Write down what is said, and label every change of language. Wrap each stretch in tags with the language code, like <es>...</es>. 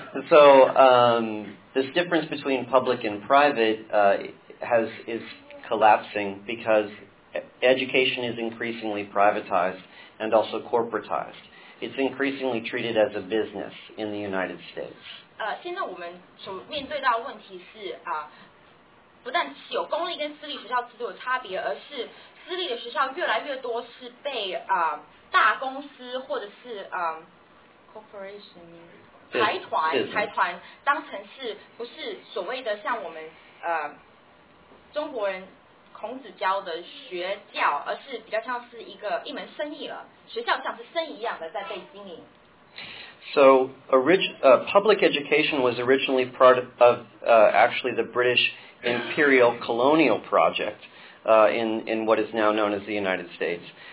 <en>So this difference between public and private is collapsing because education is increasingly privatized and also corporatized. It's increasingly treated as a business in the United States.</en> <zh>现在我们所面对到的问题是不但是有公立跟私立学校制度的差别，而是私立的学校越来越多是被大公司或者是corporation 财团当成是不是所谓的像我们中国人孔子教的学教，而是比较像是一个一门生意了，学校像是生意一样的在被经营。</zh> <en>So, public education was originally part of actually the British imperial colonial project in what is now known as the United States.</en>